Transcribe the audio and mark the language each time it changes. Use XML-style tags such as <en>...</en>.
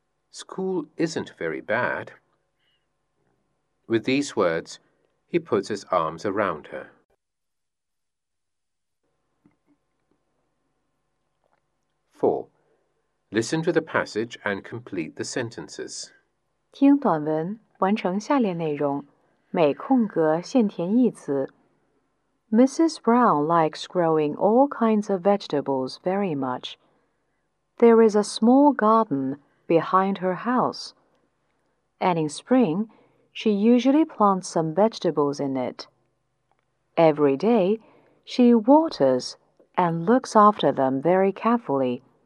<en>School isn't very bad." With these words, he puts his arms around her. Four. Listen to the passage and complete the sentences.</en> <zh>听短文，完成下列内容，每空格限填一词。</zh> <en>Mrs. Brown likes growing all kinds of vegetables very much. There is a small garden behind her house. And in spring, she usually plants some vegetables in it. Every day, she waters and looks after them very carefully.</en>